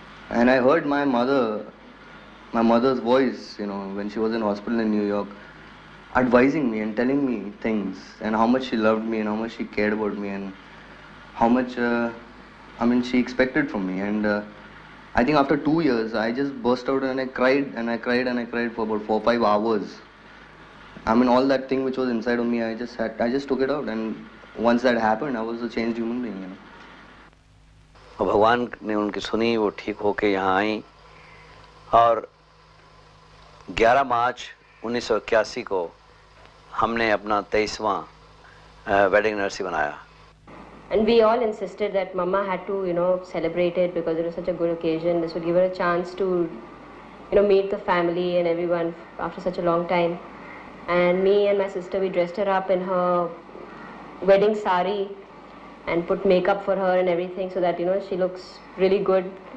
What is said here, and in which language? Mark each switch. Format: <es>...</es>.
<en>And I heard my mother's voice, you know, when she was in hospital in New York, advising me and telling me things, and how much she loved me and how much she cared about me and how much, she expected from me. And I think after 2 years, I just burst out and I cried and I cried and I cried for about 4-5 hours. I mean, all that thing which was inside of me, I just took it out. And once that happened, I was a changed human being, you know.</en> <hi>भगवान ने उनकी सुनी, वो ठीक होके यहाँ आई, और 11 मार्च 1981 को हमने अपना 23वां वेडिंग एनिवर्सरी बनाया।</hi> <en>And we all insisted that Mama had to, you know, celebrate it because it was such a good occasion. This would give her a chance to, you know, meet the family and everyone after such a long time. And me and my sister, we dressed her up in her wedding sari and put makeup for her and everything so that, you know, she looks really good.</en>